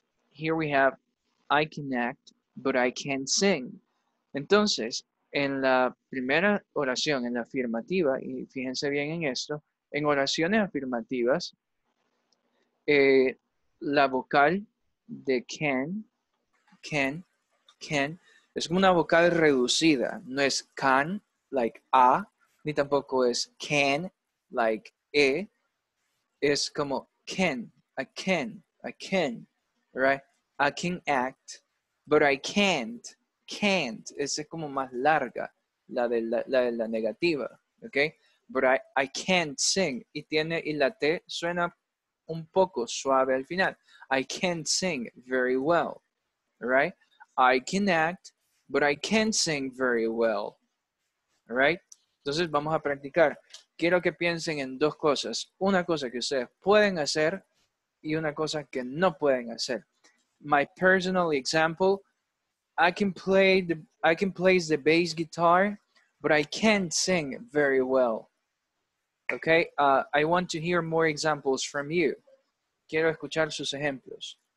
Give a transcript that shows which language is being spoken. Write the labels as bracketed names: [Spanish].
[English] Here we have I can act, but I can't sing. [Spanish] Entonces, en la primera oración, en la afirmativa, y fíjense bien en esto, en oraciones afirmativas, la vocal de can, es como una vocal reducida. No es can, like a, ni tampoco es can, like e. Es como can, a can, right? [English] I can act, but I can't. Can't. [Spanish] Esa es como más larga, la de la negativa, okay? [English] But I can't sing. [Spanish] Y tiene y la T suena un poco suave al final. [English] I can't sing very well, right? I can act, but I can't sing very well, right? [Spanish] Entonces vamos a practicar. Quiero que piensen en dos cosas. Una cosa que ustedes pueden hacer y una cosa que no pueden hacer. [English] My personal example, I can play the bass guitar, but I can't sing very well. Okay? I want to hear more examples from you. [Spanish] Quiero escuchar sus ejemplos.